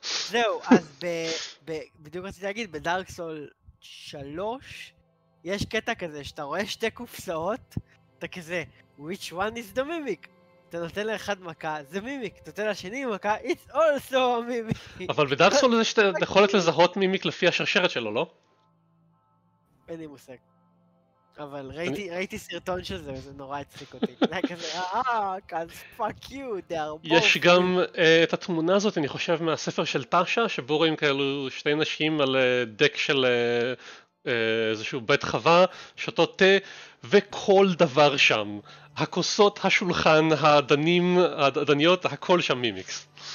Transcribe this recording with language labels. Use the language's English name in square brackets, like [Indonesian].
[Hebrew] זהו, אז בדיוק רציתי להגיד, בדארק סול 3 יש קטע כזה שאתה רואה שתי קופסאות, אתה כזה, [English] which one is the mimic? [Hebrew] אתה נותן לאחד מכה, זה מימיק, אתה נותן לשני מכה, [English] it's also a mimic. [Hebrew] אבל בדארק סול זה שאתה יכולת לזהות מימיק לפי השרשרת שלו, לא? אין לי מושג. אבל ראיתי סרטון של זה וזה נורא הצחיק אותי. זה היה כזה, כזה, [English] fuck you, they are both. [Hebrew] יש גם את התמונה הזאת, אני חושב, מהספר של טאשה, שבו רואים כאלו שתי נשים על דק של איזשהו בית חווה, שותות תה, וכל דבר שם. הכוסות, השולחן, הדנים, הדניות, הכל שם מימיקס.